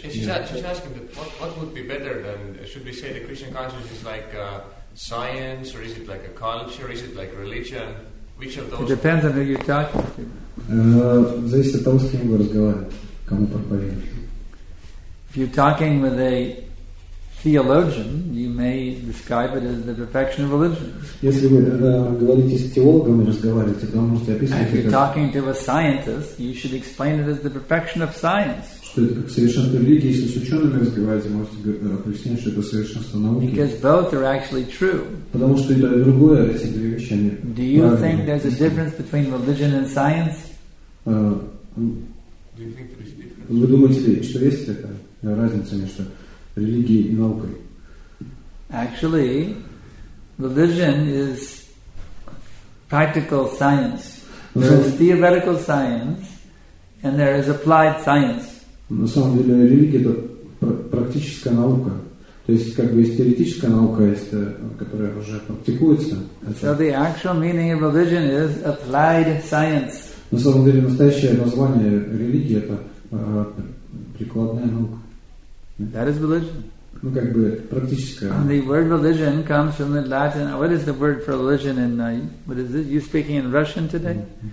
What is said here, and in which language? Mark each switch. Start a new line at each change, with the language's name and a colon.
English: She's asking what would be better than, should we say the Krishna consciousness is like science, or is it like a culture, is it like religion? Which of those? It depends on who you're talking to.
Russian: Зависит от того, с кем вы разговариваете, кому проповедуете.
English: If you're talking with a theologian, you may describe it as the perfection of religion.
Russian: Если вы говорите с теологом и разговариваете, то вы можете описать это.
English: If you're talking to a scientist, you should explain it as the perfection of science.
Russian: Что это как совершенство религии, если с учеными разговариваете, можете объяснить, что это совершенство науки.
English: Because both are actually true.
Russian: Потому что это другое, эти две вещи, они правильные.
English: Do you think there's a difference between religion and science?
Russian: Вы думаете, что есть такая разница между религией и наукой?
English: Actually, religion is practical science. There is theoretical science, and there is applied science.
Russian: На самом деле религия — это практическая наука. То есть как бы есть теоретическая наука, есть, которая уже практикуется.
English: So the actual meaning of religion is applied science.
Russian: На самом деле настоящее название религии — это прикладная наука.
English: That is religion.
Russian: Ну как бы практическая.
English: And the word religion comes from the Latin. What is the word for religion in what is it? You speaking in Russian today?